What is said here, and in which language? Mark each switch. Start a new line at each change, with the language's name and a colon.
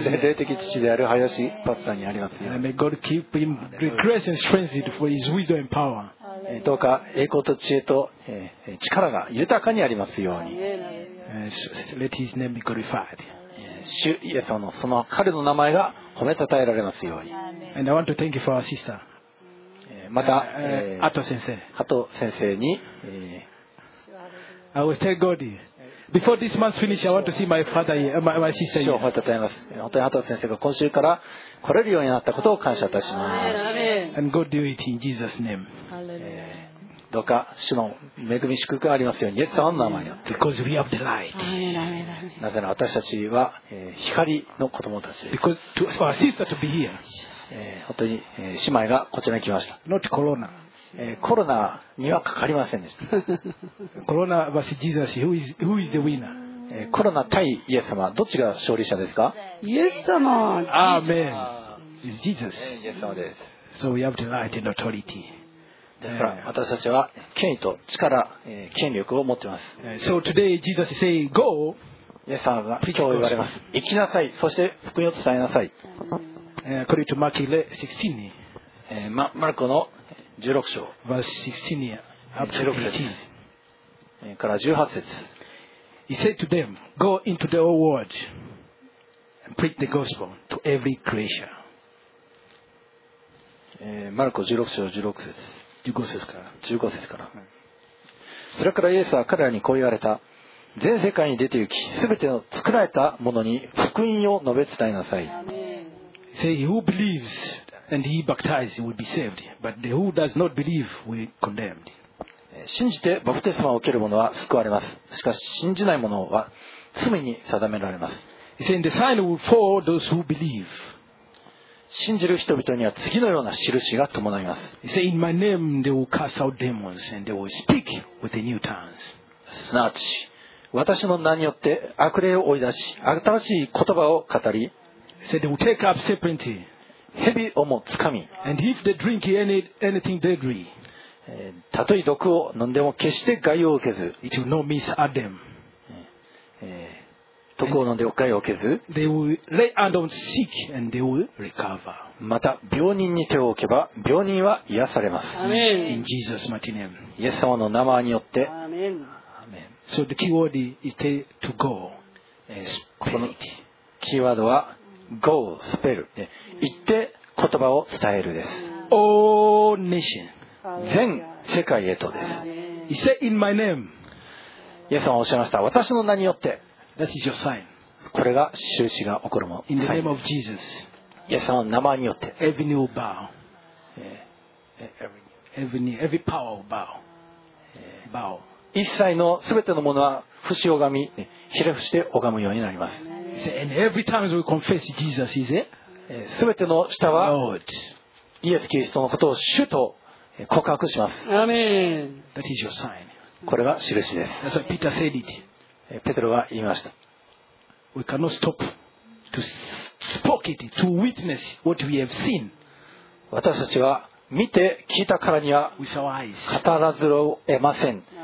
Japanese: 霊的父である林パスターにありますように。
English: And may God keep him with grace and strength for his wisdom and power.
Japanese: どうか栄光と知恵と力が豊かにありますように。
English: Let his name be glorified.
Japanese: 主イエス様のその彼の名前が褒めたたえられますように。
English: And I want to thank you for our sister.
Japanese: また、ハト先生。ハト先生に。
English: I will tell God before this month finish. I want to see my father here, my sister here.
Japanese: 主を褒めたたえます。本当にハト先生が今週から来れるようになったことを感謝いたします。
English: And God do it in Jesus' name.
Japanese: どうか主の恵み祝福がありますようにイエス様の名前によって
English: Because we have the light.
Japanese: なぜなら私たちは光の子供たちです
English: Because our sister to be here.
Japanese: 本当に姉妹がこちらに来ました
English: Not corona.
Japanese: コロナにはかかりませんでした
English: コロナ versus Jesus, who is the winner?
Japanese: コロナ対イエス様どっちが勝利者ですかイエス様
English: Amen. Jesus.
Japanese: イエス様です
English: So we have the light and authority.
Japanese: ですから私たちは権威と力、権力を持っています。
English: So today Jesus say, go.
Japanese: イエス様が今日言われます。行きなさい。そして福音を伝えなさい。
English: According to Mark 16,
Japanese: マルコの16章、
English: verse 16, 16節
Japanese: から18節。
English: He said to them, go into the whole world and preach the gospel to every creature.
Japanese: マルコ16章16節。 15節から。それからイエスは彼らにこう言われた。全世界に出て行き、すべての作られたものに福音を述べ伝えなさい。
English: Say who believes and he baptized will be saved, but the who does not believe will be condemned.
Japanese: 信じてバプテスマを受ける者は救われます。しかし信じない者は罪に定められます。
English: He said the sign will follow those who believe.
Japanese: 信じる人々には次のような印が伴います。
English: He said, In my name they will cast out demons and they will speak with the new tongues.
Japanese: すなわち、私の名によって悪霊を追い出し、新しい言葉を語り、
English: He said, They will take up serpent,
Japanese: 蛇をもつかみ、
English: And if they drink anything deadly,
Japanese: たとえ毒を飲んでも決して害を受けず、
English: It will not miss at them.
Japanese: 毒を飲んで害を受けず
English: they will lay hand on sick and they will recover.
Japanese: また病人に手を置けば病人は癒されます
English: Amen. In Jesus mighty name.
Japanese: イエス様の名前によって
English: Amen. Amen. So the key word is to go.
Japanese: このキーワードは
English: Go, spell.
Japanese: 言って言葉を伝えるです
English: All nation.
Japanese: 全世界へとです
English: He said in my name.
Japanese: イエス様はおっしゃいました私の名によって
English: That is your sign.
Japanese: これが印が起こるもの。
English: In the name of Jesus.
Japanese: イエス様の名前によって。
English: Every knee will bow. Every power will bow. Bow.
Japanese: 一切のすべてのものは伏し拝み、ひれ伏して拝むようになります。
English: And every tongue will confess Jesus is it?
Japanese: すべての舌は、イエス・キリストのことを主と告白します。
English: Amen. That is your sign.
Japanese: これが印です。
English: That's what Peter said it.
Japanese: ペテロは言いました。
English: We cannot stop to speak it, to witness what we have seen.
Japanese: 私たちは見て聞いたからには語らずを得ません。